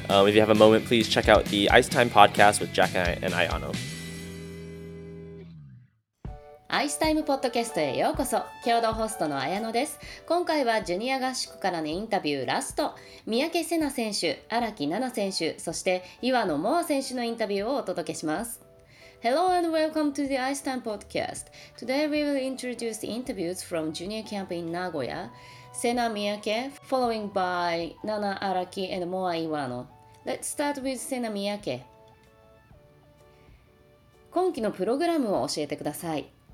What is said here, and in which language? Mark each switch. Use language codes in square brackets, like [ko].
[en] If you have a moment, please check out the Ice Time podcast with Jack and Ayano. [ja] Ice Time podcast へようこそ。共同ホストの綾乃です。今回はジュニア合宿からのインタビューラスト。三宅瀬那選手、荒木菜那選手、そして岩野萌亜選手のインタビューをお届けします。 [en] Hello and welcome to the Ice Time podcast. Today we will introduce the interviews from Junior Camp in Nagoya. Senna Miyake, following by Nana Araki and Moa Iwano. Let's start with Senna Miyake. [ja] 今期のプログラムを教えてください。